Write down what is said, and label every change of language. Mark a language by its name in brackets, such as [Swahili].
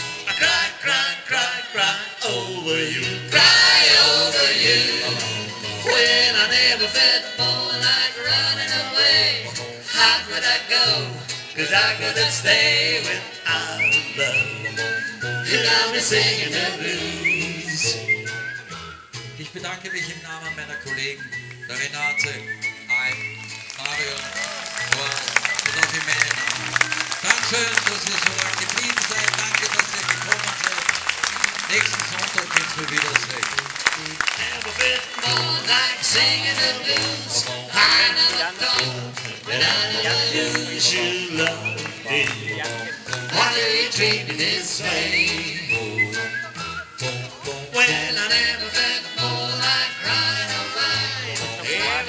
[English] I cry, cry, cry, cry over you, cry over you. When I never felt more like running away, how could I go? Cause I couldn't stay without love. You got me singing the blues. [German] Ich bedanke mich im Namen meiner Kollegen, der Renate, Hein, Marion, Horst und auch in meinem Namen. Dankeschön, dass ihr so lange geblieben seid. Danke, dass ihr gekommen seid. Nächsten Sonntag geht es mir wieder so. [English] Never felt more like singing the blues. I never thought that I would lose you, love. Why do you treat me this way? Well, I never felt more like crying away.